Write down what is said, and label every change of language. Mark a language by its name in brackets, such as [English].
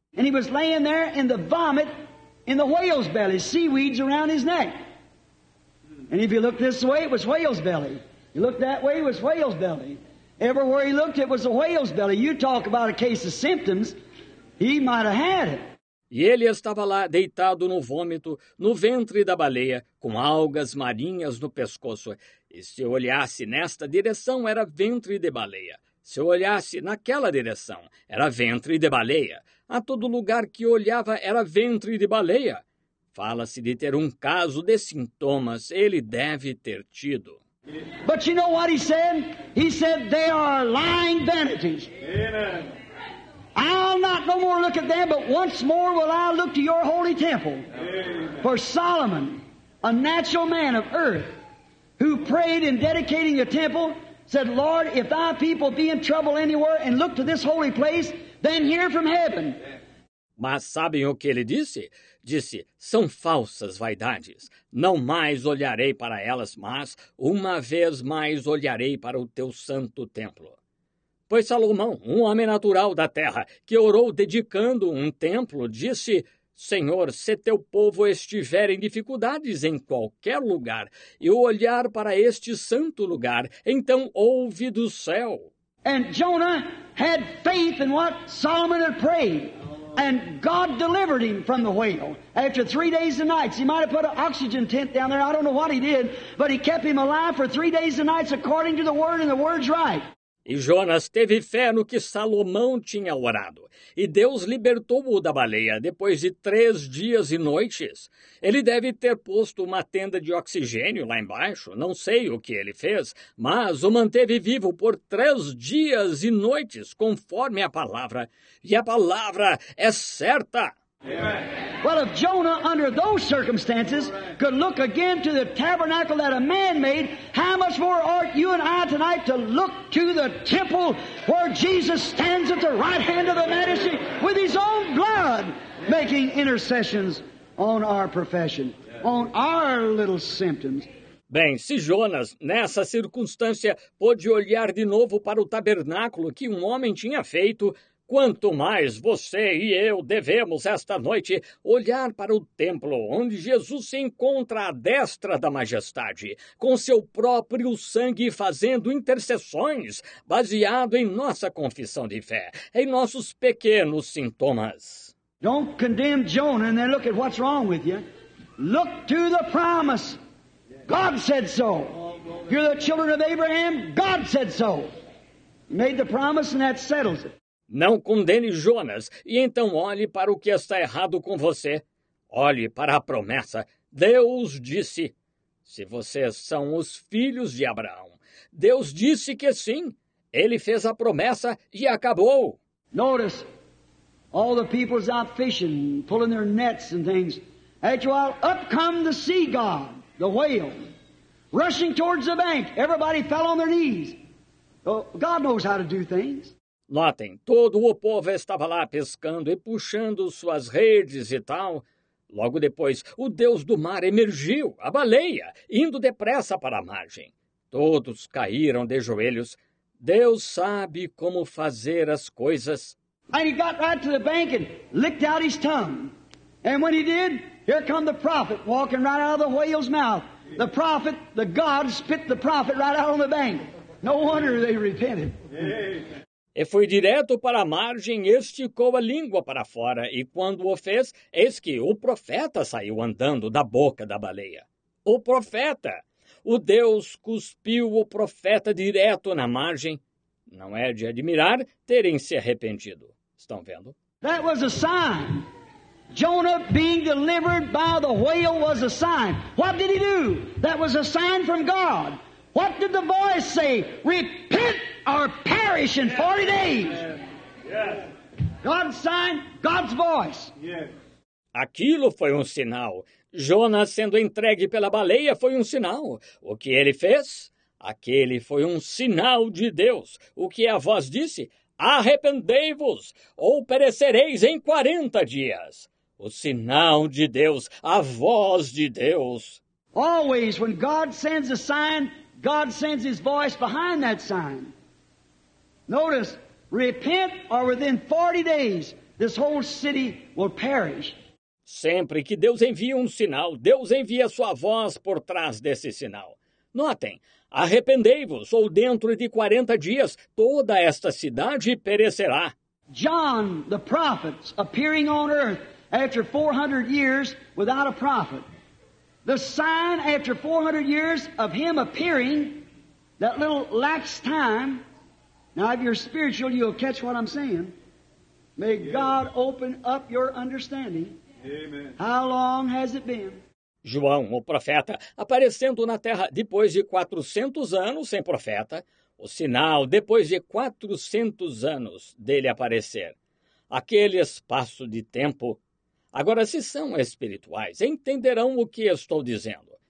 [English] And he was laying there in the vomit in the whale's belly, seaweeds around his neck. And if you looked this way, it was whale's belly. You looked that way, it was whale's belly. Everywhere he looked, it was a whale's belly. You talk about a case of symptoms, he might have had it. [Portuguese] E ele estava lá, deitado no vômito, no ventre da baleia, com algas marinhas no pescoço. E se olhasse nesta direção, era ventre de baleia. Se olhasse naquela direção, era ventre de baleia. A todo lugar que olhava, era ventre de baleia. Fala-se de ter um caso de sintomas. Ele deve ter tido. [English] But you know what he said? He said, they are lying vanities. Amen. I'll not no more look at them, but once more will I look to your holy temple. Amen. For Solomon, a natural man of earth, who prayed in dedicating a temple, said, Lord, if thy people be in trouble anywhere and look to this holy place, then hear from heaven. [Portuguese] Mas sabem o que ele disse? Disse, são falsas vaidades. Não mais olharei para elas, mas uma vez mais olharei para o teu santo templo. Pois Salomão, um homem natural da terra, que orou dedicando um templo, disse, Senhor, se teu povo estiver em dificuldades em qualquer lugar, e olhar para este santo lugar, então ouve do céu. [English] And Jonah had faith in what Solomon had prayed, and God delivered him from the whale. After 3 days and nights, he might have put an oxygen tent down there, I don't know what he did, but he kept him alive for 3 days and nights according to the word, and the word's right. [Portuguese] E Jonas teve fé no que Salomão tinha orado. E Deus libertou-o da baleia depois de 3 dias e noites. Ele deve ter posto uma tenda de oxigênio lá embaixo. Não sei o que ele fez, mas o manteve vivo por 3 dias e noites, conforme a palavra. E a palavra é certa. Amen. [English] Well, if Jonah, under those circumstances, could look again to the tabernacle that a man made, how much more ought you and I tonight to look to the temple where Jesus stands at the right hand of the Majesty with his own blood, making intercessions on our profession, on our little symptoms. [Portuguese] Bem, se Jonas, nessa circunstância, pôde olhar de novo para o tabernáculo que um homem tinha feito, quanto mais você e eu devemos esta noite olhar para o templo onde Jesus se encontra à destra da majestade, com seu próprio sangue fazendo intercessões, baseado em nossa confissão de fé, em nossos pequenos sintomas. [English] Don't condemn Jonah and then look at what's wrong with you. Look to the promise. God said so. You're the children of Abraham. God said so. He made the promise and that settles it. [Portuguese] Não condene Jonas, e então olhe para o que está errado com você. Olhe para a promessa. Deus disse, se vocês são os filhos de Abraão. Deus disse que sim. Ele fez a promessa e acabou. [English] Notice, all the people's out fishing, pulling their nets and things. After a while, up come the sea god, the whale, rushing towards the bank. Everybody fell on their knees. God knows how to do things. [Portuguese] Notem, todo o povo estava lá pescando e puxando suas redes e tal. Logo depois, o Deus do mar emergiu, a baleia, indo depressa para a margem. Todos caíram de joelhos. Deus sabe como fazer as coisas. [English] And he got right to the bank and licked out his tongue. And when he did, here come the prophet walking right out of the whale's mouth. The prophet, the God, spit the prophet right out on the bank. No wonder they repented. Yeah. [Portuguese] E foi direto para a margem, esticou a língua para fora, e quando o fez, eis que o profeta saiu andando da boca da baleia. O profeta! O Deus cuspiu o profeta direto na margem. Não é de admirar terem se arrependido. Estão vendo? [English] That was a sign. Jonah being delivered by the whale was a sign. What did he do? That was a sign from God. What did the voice say? Repent or perish in 40 days. God's sign, God's voice. [Portuguese] Aquilo foi um sinal. Jonas sendo entregue pela baleia foi um sinal. O que ele fez? Aquele foi um sinal de Deus. O que a voz disse? Arrependei-vos ou perecereis em 40 dias. O sinal de Deus, a voz de Deus. [English] Always when God sends a sign, God sends his voice behind that sign. Notice, repent or within 40 days, this whole city will perish. [Portuguese] Sempre que Deus envia um sinal, Deus envia sua voz por trás desse sinal. Notem, arrependei-vos, ou dentro de 40 dias, toda esta cidade perecerá. [English] John, the prophet, appearing on earth after 400 years without a prophet. The sign after 400 years of him appearing, that little lapse time. Now, if you're spiritual, you'll catch what I'm saying. May yeah. God open up your understanding. Amen. How long has it been? [Portuguese] João, o profeta, aparecendo na terra depois de 400 anos sem profeta, o sinal depois de 400 anos dele aparecer. Aquele espaço de tempo. Agora, se são espirituais, entenderão o que estou dizendo.